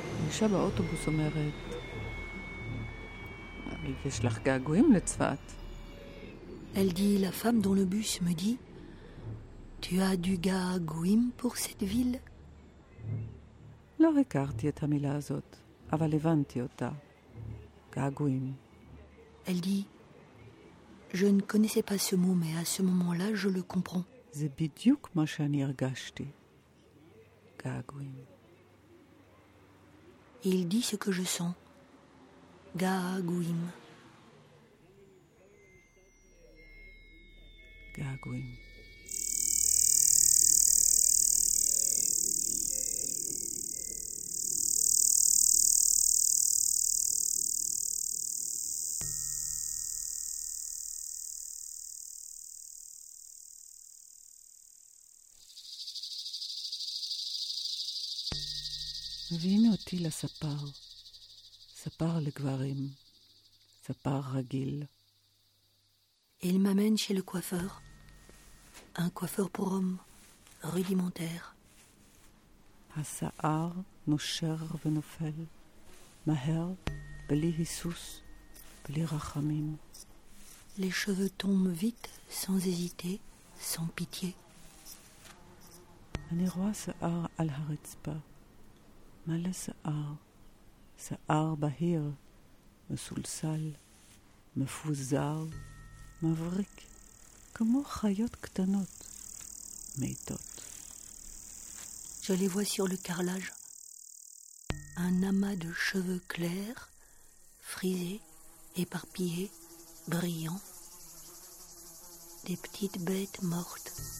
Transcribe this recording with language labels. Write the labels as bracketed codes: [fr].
[he] Shaba autobus omeret. Yesh lach gagouim le tzfat. [fr] Elle dit, la femme dans le bus me dit, tu as du gagouim pour cette ville? [he] לא הכרתי את המילה הזאת, אבל הבנתי אותה. געגועים. [fr] Elle dit, je ne connaissais pas ce mot, mais à ce moment-là, je le comprends. [he] זה בדיוק מה שאני הרגשתי. געגועים. [fr] Il dit ce que je sens. געגועים. [he] געגועים. מביאים אותי לספר, ספר לגברים, ספר רגיל. [fr] Il m'amène chez le coiffeur, un coiffeur pour homme, rudimentaire. [he] השיער נושר ונופל, מהר, בלי היסוס, בלי רחמים. [fr] Les cheveux tombent vite, sans hésiter, sans pitié. [he] אני רואה שיער על הרצפה. מלא שיער, שיער בהיר, מסולסל, מפוזר, מבריק, כמו חיות קטנות, מיטות. [fr] Je les vois sur le carrelage. Un amas de cheveux clairs, frisés, éparpillés, brillants. Des petites bêtes mortes.